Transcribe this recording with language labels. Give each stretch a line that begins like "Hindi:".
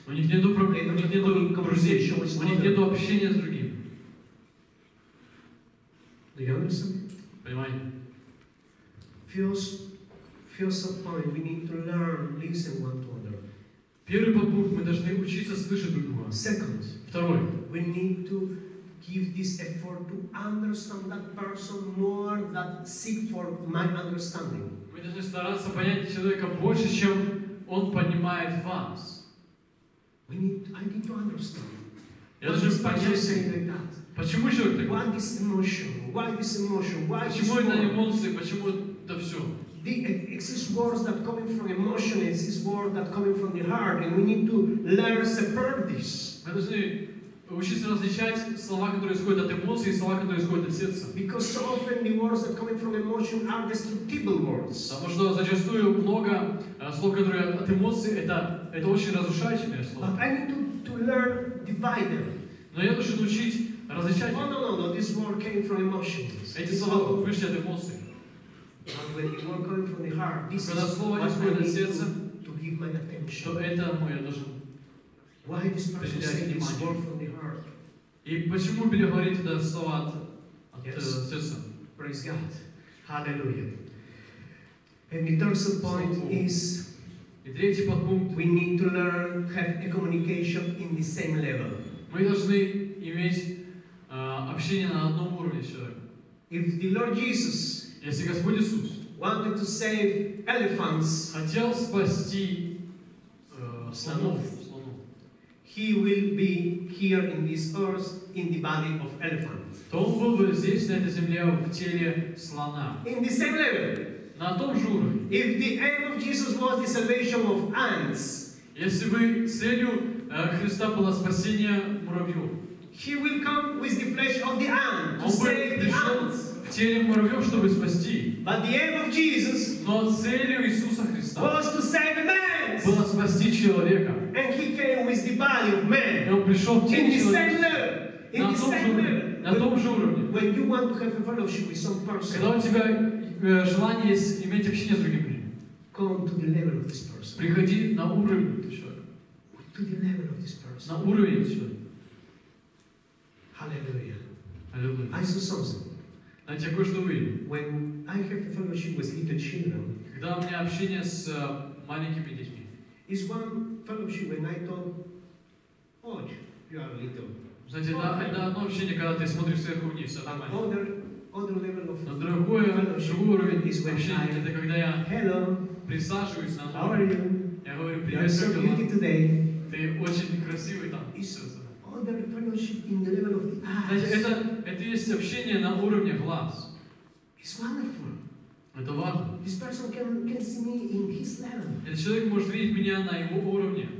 Russian: У них нету проблем, у них нету друзей, у них нету общения с другими.
English: Do you understand?
Russian: Понимаете?
English: Feels a point. We need to learn, listen one to other.
Russian: Первый подпункт, мы должны учиться слышать друг друга.
English: Second.
Russian: Второй.
English: We need to give this effort to understand that person more than seek for my understanding.
Russian: Мы должны стараться понять человека больше, чем он понимает вас.
English: We need. I need to understand.
Russian: Я должен понять.
English: Why you say like that?
Russian: Почему человек такой?
English: What is emotion? Why this emotion? Why
Russian: почему
English: this
Russian: это эмоции? Почему это все?
English: Exist words that coming from emotion, exist words that coming from the heart, and we need to learn separate this.
Russian: Мы должны учиться различать слова, которые исходят от эмоций, и слова, которые исходят от сердца.
English: Because so often the words that coming from emotion are destructible words.
Russian: Потому что зачастую много слов, которые от эмоций, это очень разрушающие слова.
English: But I need to learn divide them.
Russian: Но я должен учить различать.
English: No, this word came from emotions.
Russian: Эти слова вышли от эмоций.
English: But when the word coming from the heart, this
Russian: когда
English: is
Russian: слово исходит от сердца,
English: to give my attention.
Russian: Что это мое должен.
English: Why this person said this word from the heart?
Russian: И почему Библия говорит это слово от сердца?
English: Praise God. Hallelujah. And the third point is.
Russian: И третий подпункт.
English: We need to learn have a communication in the same level.
Russian: Мы должны иметь общение на одном уровне с человеком.
English: If the Lord Jesus,
Russian: если Господь Иисус,
English: wanted to save elephants,
Russian: хотел спасти слонов,
English: he will be here in this earth in the body of elephant.
Russian: То он был бы здесь на этой земле в теле слона.
English: In the same level,
Russian: на том же уровне.
English: If the aim of Jesus was the salvation of ants,
Russian: если бы целью Христа было спасение муравьев.
English: He will come with the flesh of the ant to save the ants.
Russian: В теле муравьев, чтобы спасти.
English: But the aim of Jesus,
Russian: но целью Иисуса Христа,
English: was to save man.
Russian: Было спасти человека.
English: And he came with the body of man.
Russian: И он пришел в тело человека. На том же уровне.
English: When you want to have a fellowship with some person,
Russian: когда у тебя желание иметь общение с другими людьми,
English: come to the level of this person.
Russian: Приходи на уровень этого человека.
English: To the level of this person.
Russian: На уровень этого человека.
English: Hallelujah. I saw something.
Russian: Знаете, кое-что увидел.
English: When I have fellowship with little children.
Russian: Когда у меня общение с маленькими детьми.
English: Is one fellowship when I talk. Oh, you are little.
Russian: Знаете, это одно общение, когда ты смотришь сверху вниз, все нормально.
English: Other level of.
Russian: На другой уровень is общения, это когда я присаживаюсь на.
English: How are you?
Russian: Я говорю, привет,
English: so beautiful today.
Russian: Ты очень красивый там. Это есть общение на уровне глаз.
English: It's wonderful.
Russian: Это важно.
English: This person can see me in his level.
Russian: Этот человек может видеть меня на его уровне.